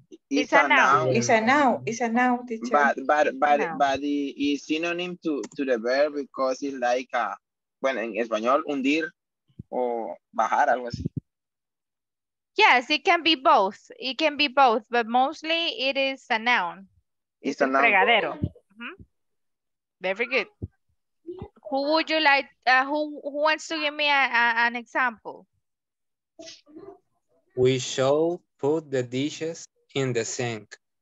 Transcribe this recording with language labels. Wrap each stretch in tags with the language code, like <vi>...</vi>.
<en>It's a noun, teacher. But it is synonym to the verb because it's like a</en> <es>bueno, en español, hundir o bajar, algo así.</es> <en>Yes, it can be both. It can be both, but mostly it is a noun. It's a noun. Fregadero. Mm-hmm. Very good. Who would you like, who wants to give me an example? We shall put the dishes in the sink.</en>